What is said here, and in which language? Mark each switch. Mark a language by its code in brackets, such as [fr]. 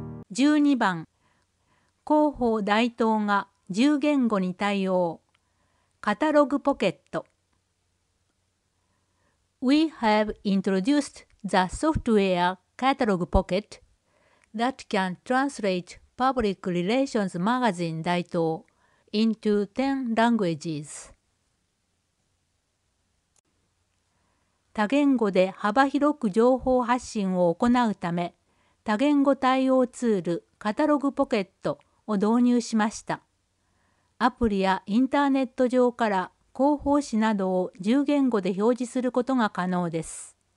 [ja] 12番、広報大東が10言語に対応、カタログポケット。 [en] We have introduced the software Catalog Pocket that can translate Public Relations Magazine 大東 into 10 languages. [ja] 多言語で幅広く情報発信を行うため、多言語対応ツールカタログポケットを導入しました。アプリやインターネット上から広報誌などを10言語で表示することが可能です。